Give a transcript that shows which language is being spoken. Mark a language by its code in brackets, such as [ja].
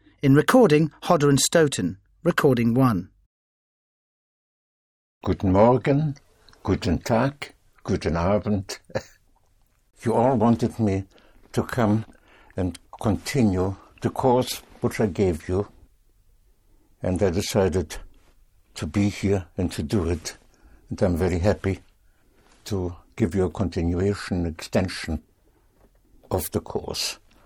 [en] In recording, Hodder and Stoughton. Recording 1. [de] Guten Morgen, guten Tag, guten Abend. [en] You all wanted me to come and continue the course which I gave you. And I decided to be here and to do it. And I'm very happy to give you a continuation, extension of the course.